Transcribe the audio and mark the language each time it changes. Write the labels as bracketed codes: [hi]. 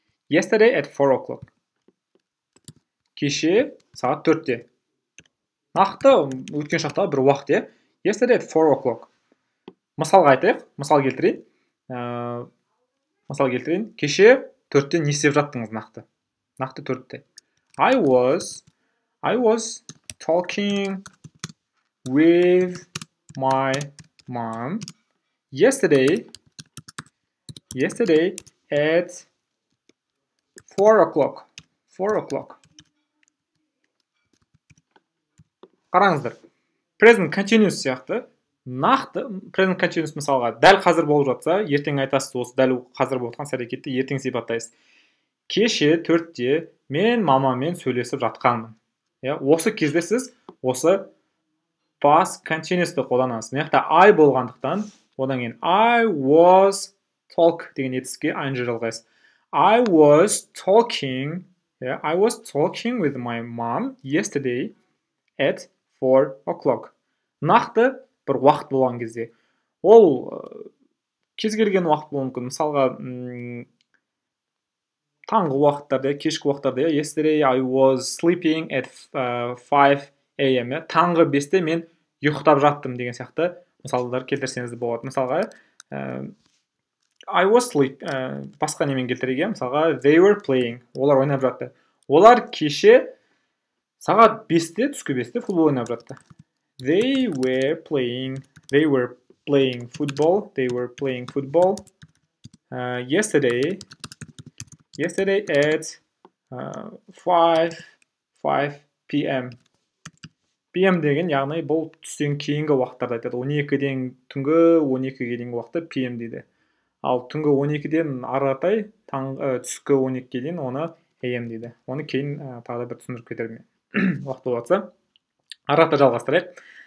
[en] Yesterday at 4 o'clock. [kk] Кеше сағат 4-те. Нақты өткен шақта бір уақыт, е? [en] Yesterday at 4 o'clock. [kk] Мысалға айтайық, мысал келтірейін. Кеше 4-те не істеп жаттыңыз нақты? Нақты 4-те. [en] I was talking with my mom yesterday at 4 o'clock. [kk] Қараңыздар, present continuous сияқты, нақты present continuous мысалға дәл қазір болып жатса, ертең айтасыз, осы дәл қазір болып жатқан әрекетті ертең сипаттайсыз. Кеше 4-те мен мамамен сөйлесіп жатқанмын. Осы кезде сіз осы past continuous-ты қолданасыз. Мынақта I болғандықтан, одан кейін I was talk деген етіске ing жалғайсыз. [en] I was talking with my mom yesterday at 4 o'clock. [kk] Нақты бір уақыт болған кезде. Ол кез келген уақыт болуы мүмкін. Мысалға, таңғы уақыттарда, кешкі уақыттарда, [en] yesterday I was sleeping at 5 a.m. [kk] Таңғы 5-те мен ұйықтап жаттым деген сияқты мысалдар келтірсеңіз болады. Мысалға, I was sleep, басқа немен келтіреген, мысалға, [en] they were playing, [kk] олар ойнап жатты. Олар кеше сағат 5-те, түскі 5-те футбол ойнап жатты. [en] They were playing football yesterday at 5 p.m. [kk] PM деген, яғни бұл түстен кейінгі уақыттарды айтады. 12-ден түнгі 12-ге дейінгі уақытта PM дейді. Ал түнгі 12-ден аратай, түскі 12-ге дейін оны AM дейді. Оны кейін тағы бір түсіндіріп кетермін. Уақыт болатса, арата жалғастырайық.